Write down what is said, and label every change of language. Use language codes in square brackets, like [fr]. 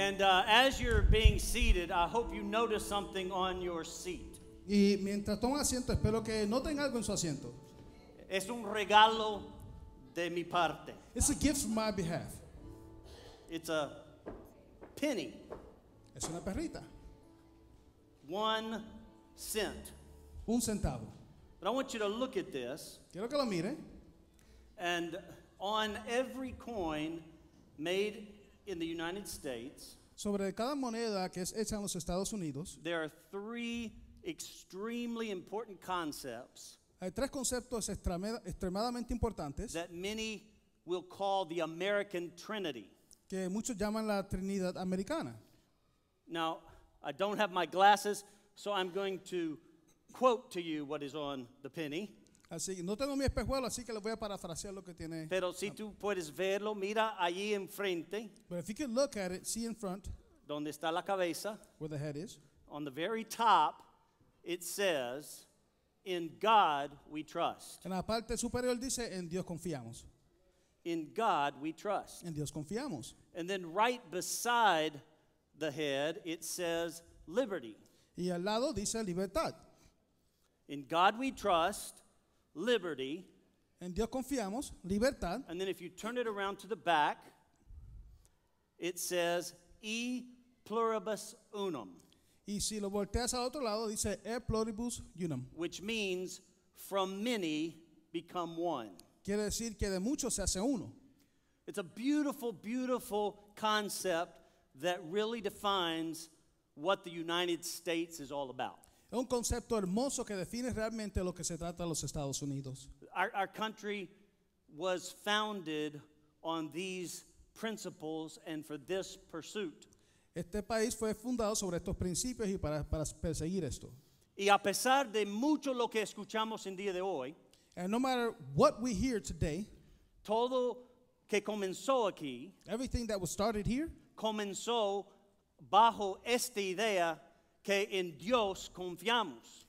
[en] I hope you notice something on your seat. [es] Y mientras toman asiento, espero que noten algo en su asiento. Es un regalo de mi parte. [en] It's a gift from my behalf. It's a penny. [es] Es una perrita. [en] 1 cent. [es] Un centavo. [en] But I want you to look at this. [es] Quiero que lo mire. [en] And on every coin made in the United States, [es] sobre cada moneda que es hecha en los Estados Unidos, [en] there are three extremely important concepts. [es] Hay tres conceptos extremadamente importantes [en] that many will call the American Trinity. [es] Que muchos llaman la Trinidad Americana. [en] Now, I don't have my glasses, so I'm going to quote to you what is on the penny. [es] Así que no tengo mi espejuelo, así que le voy a parafrasear lo que tiene. Pero si tú puedes verlo, mira allí enfrente. [en] But if you can look at it, see in front. [es] Donde está la cabeza. [en] Where the head is. On the very top, it says, "In God we trust." [es] En la parte superior dice, "En Dios confiamos." [en] In God we trust. [es] En Dios confiamos. [en] And then right beside the head, it says, "Liberty." [es] Y al lado dice, "Libertad." [en] In God we trust. Liberty. [es] En Dios confiamos, libertad. [en] And then if you turn it around to the back, it says E pluribus unum. [es] Y si lo volteas al otro lado, dice E pluribus unum. [en] Which means from many become one. [es] Quiere decir que de muchos se hace uno. [en] It's a beautiful, beautiful concept that really defines what the United States is all about. [es] Es un concepto hermoso que define realmente lo que se trata de los Estados Unidos. [en] Our country was founded on these principles and for this pursuit. [es] Este país fue fundado sobre estos principios y para perseguir esto. Y a pesar de mucho lo que escuchamos en día de hoy, [en] and no matter what we hear today, [es] todo que comenzó aquí, [en] everything that was started here, [es] comenzó bajo esta idea que en Dios confiamos.